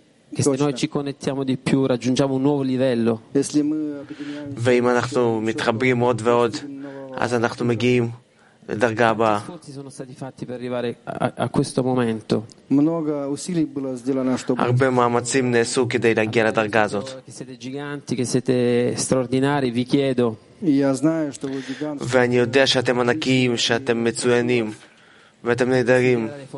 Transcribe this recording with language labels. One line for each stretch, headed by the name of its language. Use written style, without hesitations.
Italian: Che se noi ci connettiamo di più raggiungiamo un nuovo livello.
Hebrew: ואם אנחנו מתחברים עוד ועוד אז אנחנו מגיעים לדרגה הבאה.
Italian: Quanti sono stati fatti per arrivare a questo momento?
Russian: Много усилий было сделано, чтобы
Hebrew: הרבה מאמצים נעשו כדי להגיע לדרגה הזאת.
Italian: Che siete giganti, che siete straordinari, vi chiedo.
Russian: Я знаю, что вы гиганты.
Hebrew: ואני יודע שאתם ענקיים, שאתם מצוינים. ואתם נהדרים.